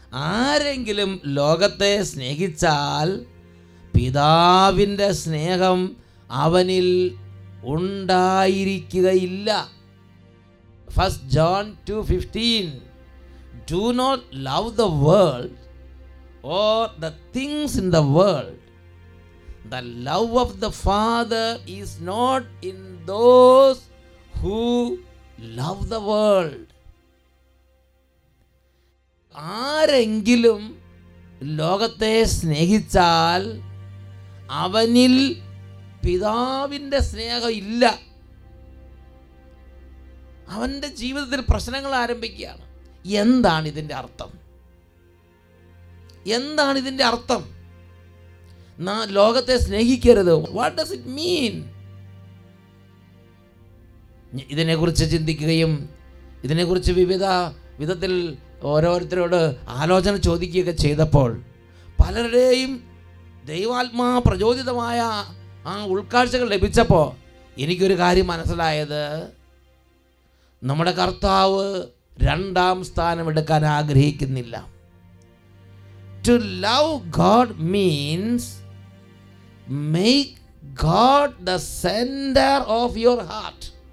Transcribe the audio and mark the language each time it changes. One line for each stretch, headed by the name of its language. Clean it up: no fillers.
Malayalam: ആരെങ്കിലും ലോകത്തെ സ്നേഹിച്ചാൽ പിതാവിൻ്റെ സ്നേഹം അവനിൽ ഉണ്ടായിരിക്കുകയില്ല.
English: First John 2:15, do not love the world or the things in the world. The love of the Father is not in those who love the world.
Malayalam: ആരെങ്കിലും ലോകത്തെ സ്നേഹിച്ചാൽ അവനിൽ പിതാവിൻ്റെ സ്നേഹമില്ല. അവൻ്റെ ജീവിതത്തിൽ പ്രശ്നങ്ങൾ ആരംഭിക്കുകയാണ്. എന്താണിതിൻ്റെ അർത്ഥം? എന്താണിതിൻ്റെ അർത്ഥം? ലോകത്തെ സ്നേഹിക്കരുത്.
English: What does it mean?
Malayalam: ഇതിനെക്കുറിച്ച് ചിന്തിക്കുകയും ഇതിനെക്കുറിച്ച് വിവിധ വിധത്തിൽ ഓരോരുത്തരോട് ആലോചന ചോദിക്കുകയൊക്കെ ചെയ്തപ്പോൾ പലരുടെയും ദൈവാത്മാ പ്രചോദിതമായ ആ ഉൾക്കാഴ്ചകൾ ലഭിച്ചപ്പോൾ എനിക്കൊരു കാര്യം മനസ്സിലായത്, നമ്മുടെ കർത്താവ് രണ്ടാം സ്ഥാനം എടുക്കാൻ ആഗ്രഹിക്കുന്നില്ല.
English: To love God means make God the center of your heart.